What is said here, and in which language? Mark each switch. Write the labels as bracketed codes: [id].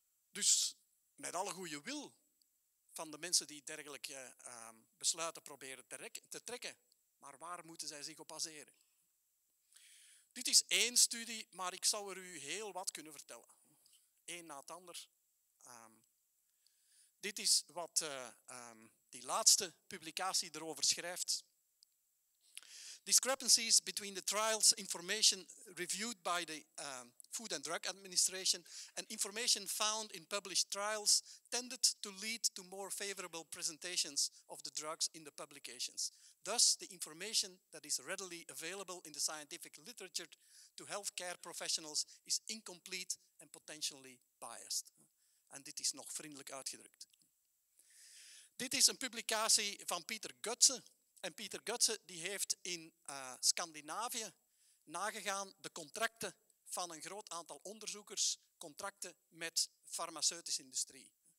[nl] Dus met alle goede wil van de mensen die dergelijke besluiten proberen te trekken, maar waar moeten zij zich op baseren? Dit is 1 studie, maar ik zou er u heel wat kunnen vertellen. 1 na het ander. Dit is wat die laatste publicatie erover schrijft. [en] Discrepancies between the trials information reviewed by the Food and Drug Administration and information found in published trials tended to lead to more favorable presentations of the drugs in the publications. Thus, the information that is readily available in the scientific literature to healthcare professionals is incomplete and potentially biased. [nl] En dit is nog vriendelijk uitgedrukt. Dit is een publicatie van Pieter Götze. En Pieter Götze die heeft in Scandinavië nagegaan de contracten van een groot aantal onderzoekers, contracten met de farmaceutische industrie.